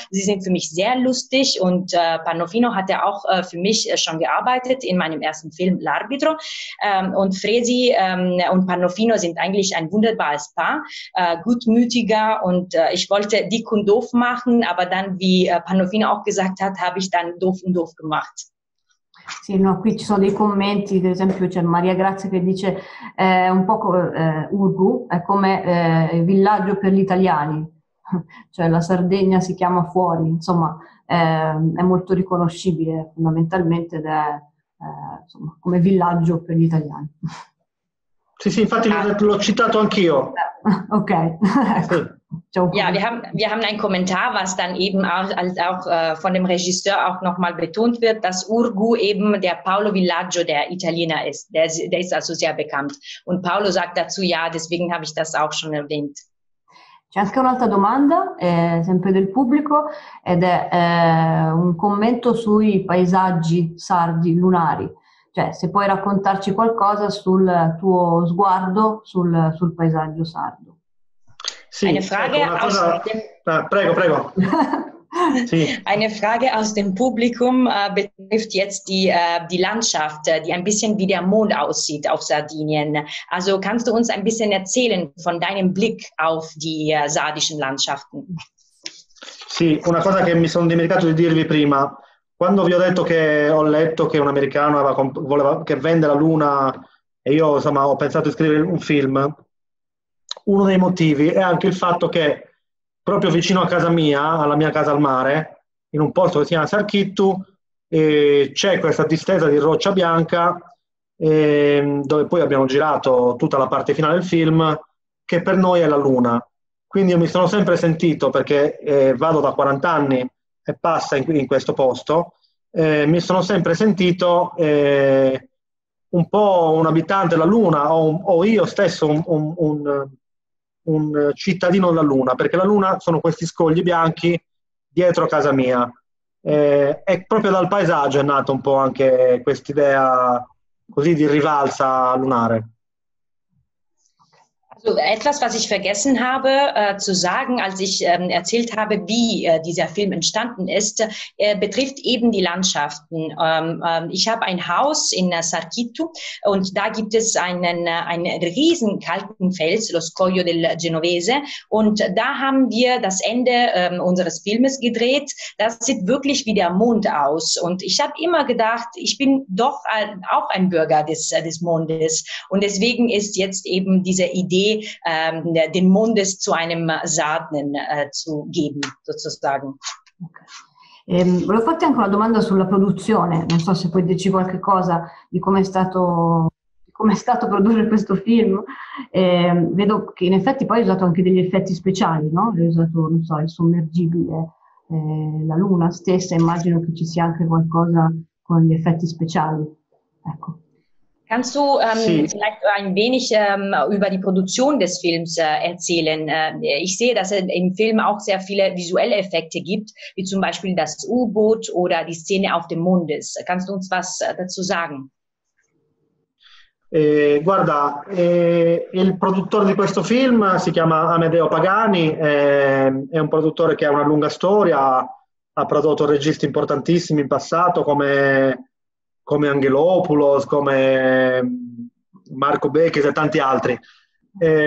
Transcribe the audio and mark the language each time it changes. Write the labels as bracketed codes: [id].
[de] Sie sind für mich sehr lustig, und Pannofino hat ja auch für mich schon gearbeitet in meinem ersten Film L'Arbitro. Und Fresi und Pannofino sind eigentlich ein wunderbares Paar, gutmütiger, und ich wollte dick und doof machen, aber dann, wie Pannofino auch gesagt hat, habe ich dann doof und doof gemacht. [it] Sì, no, qui ci sono dei commenti, per esempio c'è Maria Grazia che dice un po' Urgu è come villaggio per gli italiani, cioè la Sardegna si chiama fuori, insomma è molto riconoscibile fondamentalmente ed è insomma, come villaggio per gli italiani. Sì, infatti l'ho citato anch'io. Ok. [de] Ja, wir haben einen Kommentar, was dann eben auch von dem Regisseur auch nochmal betont wird, dass Urgu eben der Paolo Villaggio, der Italiener ist. Der ist also sehr bekannt. Und Paolo sagt dazu, ja, deswegen habe ich das auch schon erwähnt. [it] C'è anche un'altra domanda, sempre del pubblico, ed è un commento sui paesaggi sardi lunari. Cioè, se puoi raccontarci qualcosa sul tuo sguardo sul paesaggio sardo. Sì, [de] eine Frage [it] ecco, [de] aus [it] cosa... [de] dem... [it] prego, prego. Sì. [de] Eine Frage aus dem Publikum betrifft jetzt die Landschaft, die ein bisschen wie der Mond aussieht auf Sardinien. Also kannst du uns ein bisschen erzählen von deinem Blick auf die sardischen Landschaften? [it] Sì, una cosa che mi sono dimenticato di dirvi prima. Quando vi ho detto che ho letto che un americano voleva che vende la luna e io insomma ho pensato di scrivere un film, uno dei motivi è anche il fatto che proprio vicino a casa mia, alla mia casa al mare, in un posto che si chiama Sarchittu, c'è questa distesa di roccia bianca, dove poi abbiamo girato tutta la parte finale del film, che per noi è la luna. Quindi io mi sono sempre sentito, perché vado da 40 anni e passa in questo posto, mi sono sempre sentito un po' un abitante della luna, o io stesso un cittadino della luna, perché la luna sono questi scogli bianchi dietro a casa mia. E proprio dal paesaggio è nata un po' anche quest'idea così di rivalsa lunare. [de] So, etwas, was ich vergessen habe zu sagen, als ich erzählt habe, wie dieser Film entstanden ist, betrifft eben die Landschaften. Ich habe ein Haus in Sarchittu, und da gibt es einen riesen kalten Fels, lo Scoglio del Genovese, und da haben wir das Ende unseres Filmes gedreht. Das sieht wirklich wie der Mond aus, und ich habe immer gedacht, ich bin doch auch ein Bürger des Mondes, und deswegen ist jetzt eben diese Idee, den Mondes zu einem Sarden zu geben, sozusagen. Okay. [it] Volevo farti anche una domanda sulla produzione, non so se puoi dirci qualche cosa di come è stato produrre questo film. Vedo che in effetti poi hai usato anche degli effetti speciali, no? Hai usato, non so, il sommergibile, la luna stessa, immagino che ci sia anche qualcosa con gli effetti speciali. Ecco. [de] Kannst du [it] sì. [de] vielleicht ein wenig über die Produktion des Films erzählen? Ich sehe, dass es im Film auch sehr viele visuelle Effekte gibt, wie zum Beispiel das U-Boot oder die Szene auf dem Mond ist. Kannst du uns was dazu sagen? [it] Guarda, il produttore di questo film si chiama Amedeo Pagani, è un produttore che ha una lunga storia, ha prodotto registi importantissimi in passato come Angelopoulos, come Marco Becchis e tanti altri, ed